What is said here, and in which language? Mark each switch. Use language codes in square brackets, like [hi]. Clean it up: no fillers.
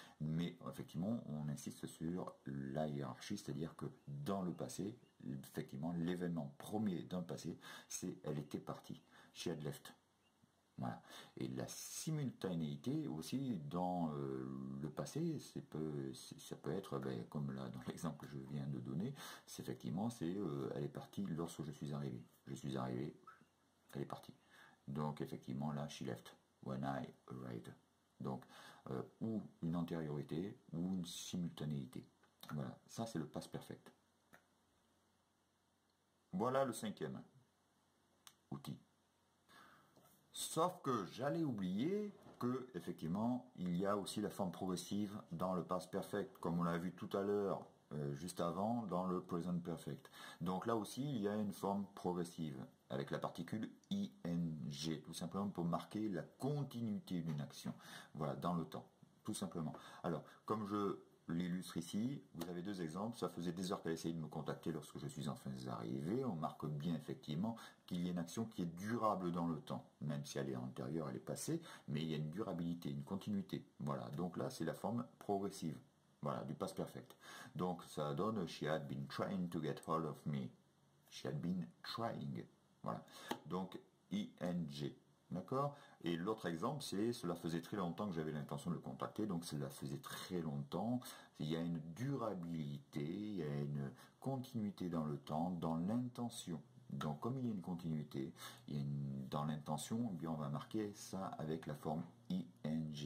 [fr] Mais effectivement, on insiste sur la hiérarchie, c'est-à-dire que dans le passé, effectivement, l'événement premier dans le passé, c'est elle était partie. [en] She had left. [fr] Voilà. Et la simultanéité aussi dans le passé, ça peut être ben, comme là dans l'exemple que je viens de donner, c'est effectivement, c'est elle est partie lorsque je suis arrivé. Je suis arrivé. Elle est partie. Donc, effectivement, là, [en] she left when I arrived. [fr] Donc, ou une antériorité ou une simultanéité. Voilà, ça, c'est le past perfect. Voilà le cinquième outil. Sauf que j'allais oublier que, effectivement, il y a aussi la forme progressive dans le past perfect, comme on l'a vu tout à l'heure. Juste avant, dans le present perfect. Donc là aussi, il y a une forme progressive avec la particule ing, tout simplement pour marquer la continuité d'une action. Voilà, dans le temps, tout simplement. Alors, comme je l'illustre ici, vous avez 2 exemples. Ça faisait des heures qu'elle essayait de me contacter lorsque je suis enfin arrivé. On marque bien effectivement qu'il y a une action qui est durable dans le temps, même si elle est antérieure, elle est passée, mais il y a une durabilité, une continuité. Voilà, donc là, c'est la forme progressive. Voilà, du past perfect. Donc, ça donne [en] « She had been trying to get hold of me ».« She had been trying ». [fr] Voilà. Donc, ing. D'accord ? Et l'autre exemple, c'est « Cela faisait très longtemps que j'avais l'intention de le contacter ». Donc, « Cela faisait très longtemps ». Il y a une durabilité, il y a une continuité dans le temps, dans l'intention. Donc, comme il y a une continuité, il y a une, dans l'intention, eh bien, on va marquer ça avec la forme « ing ».